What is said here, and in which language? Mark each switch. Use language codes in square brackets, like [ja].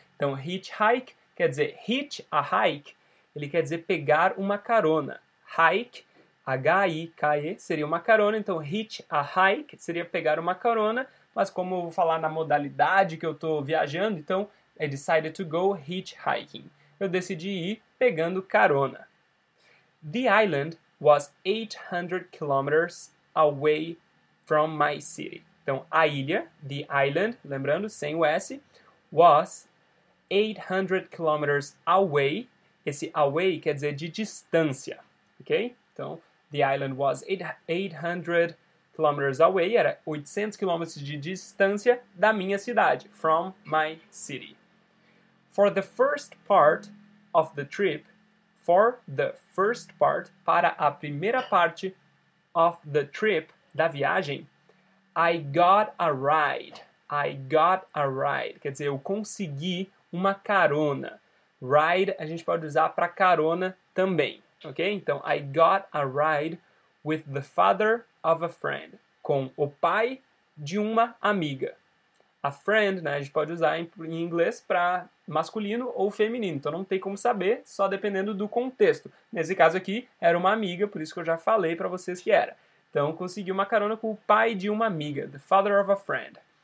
[pt] Então, hitchhike quer dizer hitch a hike, ele quer dizer pegar uma carona. Hike, H-I-K-E, seria uma carona. Então, hitch a hike seria pegar uma carona, mas como eu vou falar na modalidade que eu estou viajando, então, [en] I decided to go hitchhiking. [pt] Eu decidi ir pegando carona. [en] The island was 800 kilometers away from my city. [pt] Então, a ilha, [en] the island, [pt] lembrando, sem o S, [en] was 800 kilometers away. [pt] Esse away quer dizer de distância, ok? Então, [en] the island was 800 kilometers away. [pt] Era 800 quilômetros de distância da minha cidade, [en] from my city. For the first part of the trip, for the first part, [pt] para a primeira parte [en] of the trip, [pt] da viagem, [en] I got a ride. I got a ride. [pt] Quer dizer, eu consegui uma carona. Ride a gente pode usar para carona também. Ok? [en] Então, I got a ride with the father of a friend. [pt] Com o pai de uma amiga. A friend, né, a gente pode usar em inglês para masculino ou feminino. Então, não tem como saber, só dependendo do contexto. Nesse caso aqui, era uma amiga, por isso que eu já falei para vocês que era. Então, consegui uma carona com o pai de uma amiga, [en] the father of a friend.